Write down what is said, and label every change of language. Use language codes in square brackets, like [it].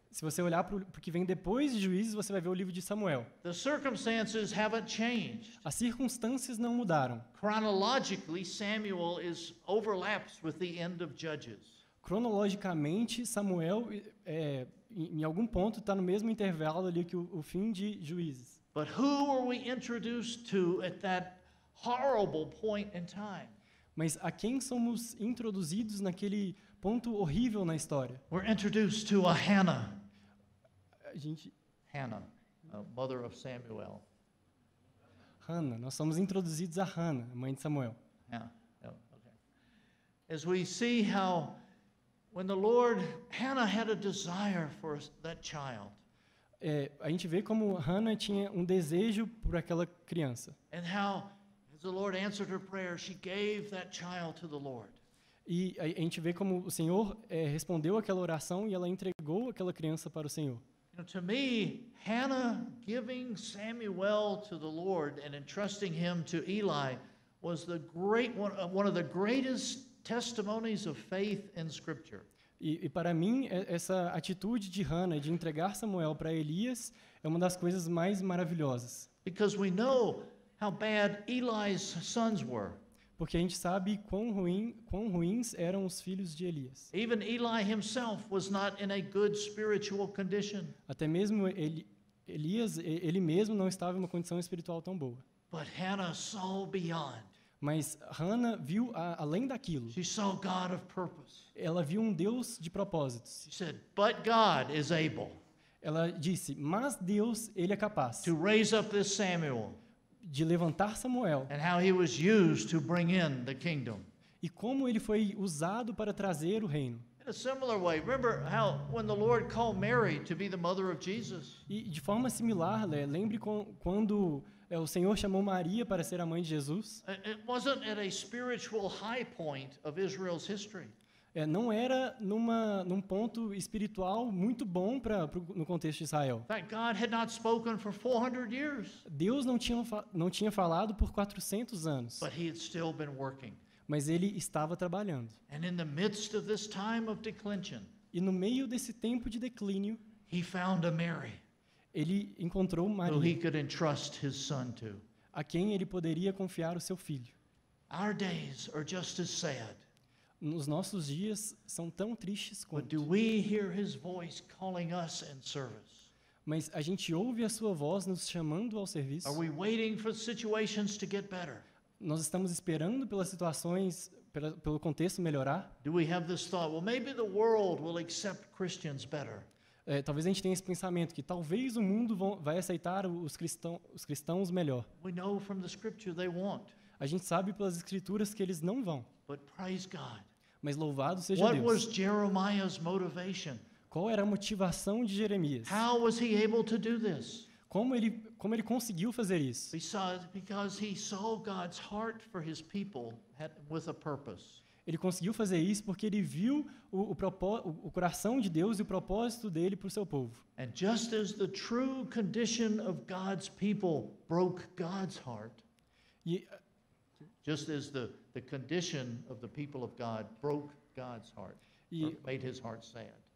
[pt] Se você olhar para o que vem depois de Juízes, você vai ver o livro de Samuel. [en] The circumstances haven't changed. [pt] As circunstâncias não mudaram. [en] Chronologically, Samuel is overlaps with the end of Judges. [pt] Cronologicamente, Samuel em algum ponto está no mesmo intervalo ali que o fim de Juízes. [en] But who are we introduced to at that horrible point in time? [pt] Mas a quem somos introduzidos naquele ponto horrível na história? [en] We're introduced to a Hannah. Hannah, a mother of Samuel. [pt] Hannah, nós somos introduzidos a Hannah, mãe de Samuel. [en] Yeah. As we see how when the Lord, Hannah had a desire for that child. [pt] A gente vê como Hannah tinha um desejo por aquela criança. [en] And how the Lord answered her prayer. She gave that child to the Lord. [pt] E a gente vê como o Senhor respondeu aquela oração e ela entregou aquela criança para o Senhor. [en] You know, to me, Hannah giving Samuel to the Lord and entrusting him to Eli was the great one of the greatest testimonies of faith in Scripture. [pt] E para mim, essa atitude de Hannah de entregar Samuel para Elias é uma das coisas mais maravilhosas. [en] Because we know how bad Eli's sons were. [pt] Porque a gente sabe quão ruins eram os filhos de Elias. [en] Even Eli himself was not in a good spiritual condition. [pt] Até mesmo Elias, ele mesmo não estava em uma condição espiritual tão boa. [en] But Hannah saw beyond. [pt] Mas Hannah viu além daquilo. [en] She saw God of purpose. [pt] Ela viu um Deus de propósitos. [en] She said, but God is able. [pt] Ela disse, mas Deus, ele é capaz. [en] To raise up this Samuel. [pt] De levantar Samuel. [en] And how he was used to bring in the kingdom. [pt] E como ele foi usado para trazer o reino. [en] In a similar way, remember how when the Lord called Mary to be the mother of Jesus. [pt] E de forma similar, lembre quando o Senhor chamou Maria para ser a mãe de Jesus. [en] It wasn't at a spiritual high point of Israel's history. [pt] Não era num ponto espiritual muito bom no contexto de Israel. [en] God had not spoken for 400 years. [pt] Deus não tinha falado por 400 anos. [en] But he had still been working. [pt] Mas ele estava trabalhando. [en] And in the midst of this time of declension, [pt] e no meio desse tempo de declínio, [en] he found a Mary, [pt] ele encontrou Maria, [en] who he could entrust his son to. [pt] A quem ele poderia confiar o seu filho. [en] Our days are just as sad. [pt] Nos nossos dias são tão tristes quanto. [en] But do we hear his voice calling us in service? [pt] Mas a gente ouve a sua voz nos chamando ao serviço? [en] Are we waiting for situations to get better? [pt] Nós estamos esperando pelas situações, pelo contexto melhorar? [en] Do we have this thought? Well, maybe the world will accept Christians better. [pt] Talvez a gente tenha esse pensamento que talvez o mundo vai aceitar os cristãos melhor. [en] We know from the scripture they won't. [pt] A gente sabe pelas escrituras que eles não vão. [en] But praise God. [pt] Mas louvado seja [en] What What was Jeremiah's motivation? [pt] Qual era a motivação de Jeremias? [en] How was he able to do this? [pt] Como ele conseguiu fazer isso? [en] Because he saw God's heart for his people with a purpose. [pt] Ele conseguiu fazer isso porque ele viu o coração de Deus e o propósito dele para o seu povo. [en] And just as the true condition of God's people broke God's heart. Just as the condition of the people of God broke God's heart, made his heart sad.